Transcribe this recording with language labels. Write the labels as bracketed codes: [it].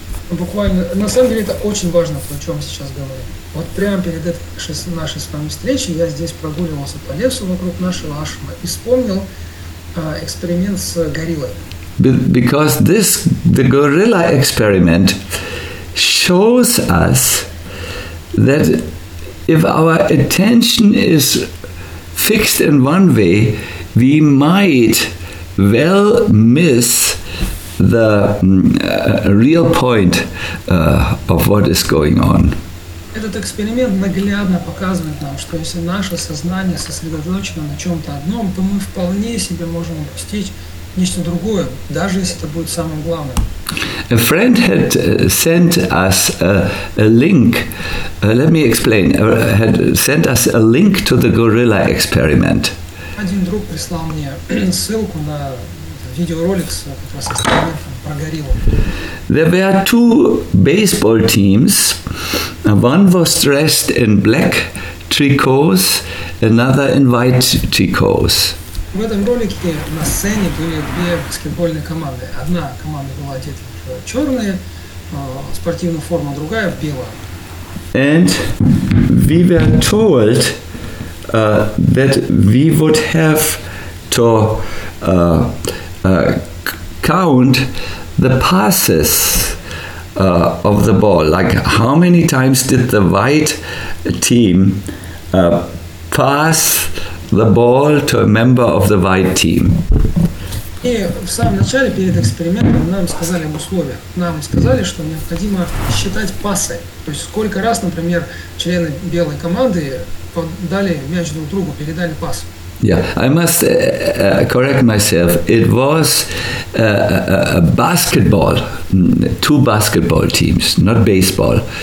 [ru] Буквально, на самом деле это очень важно, о чем мы сейчас говорим. Вот прямо перед нашей с вами встречей я здесь прогуливался по лесу вокруг нашего ашрама и вспомнил эксперимент с гориллой. [en] Because this, the gorilla experiment shows us that if our attention is fixed in one way, we might well miss the real point of what is going on. [ru] Этот эксперимент наглядно показывает нам, что если наше сознание сосредоточено на чем-то одном, то мы вполне себе можем упустить нечто другое, даже если это будет самым главным. [en] A friend had sent us a link. Let me explain. Had sent us a link to the gorilla experiment. [ru] Один друг прислал мне ссылку на видеоролик с экспериментом про гориллу. [en] There were two baseball teams. One was dressed in black tricots, another in white tricots. [ru] В этом ролике на сцене были две баскетбольные команды. Одна команда была одета в черную спортивную форму, другая в белую. [en] And we were told that we would have to count the passes of the ball. Like, how many times did the white team pass the ball to a member of the white team? [ru] И в самом начале перед экспериментом нам сказали об условиях. Нам сказали, что необходимо считать пасы. То есть сколько раз, например, члены белой команды подали мяч друг другу, передали пас. [en] Yeah, I must correct myself. It was a basketball, two basketball teams, not baseball.